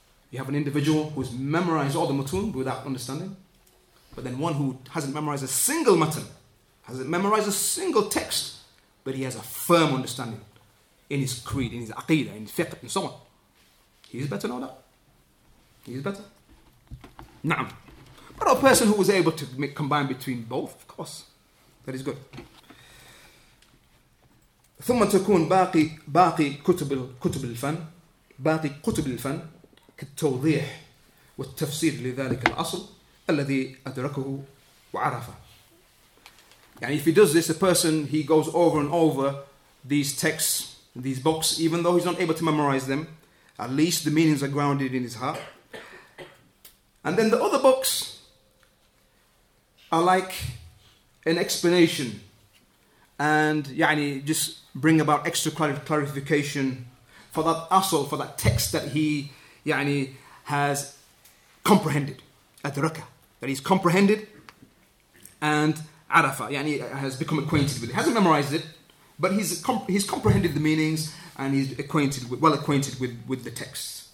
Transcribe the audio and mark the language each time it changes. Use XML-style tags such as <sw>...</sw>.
<en>You have an individual who has memorized all the matun without understanding, but then one who hasn't memorized a single matun, hasn't memorized a single text, but he has a firm understanding in his creed, in his aqidah, in his fiqh, and so on. He is better, no doubt. He is better.</en> <ar>Na'am.</ar> <en>But a person who was able to combine between both, of course, that is good.</en> <ar>ثم تكون باقي كتب الفن باقي كتب الفن كالتوضيح والتفسير لذلك الأصل الذي أدركه وعرفه.</ar> <en>And if he does this, the person, he goes over and over these texts, these books, even though he's not able to memorize them, at least the meanings are grounded in his heart. And then the other books are like an explanation and يعني just bring about extra clarification for that asl, for that text that he يعني has comprehended, adraka, that he's comprehended and arafa, يعني has become acquainted with it. He hasn't memorized it, but he's comprehended the meanings and he's acquainted with, well acquainted with the text.</en>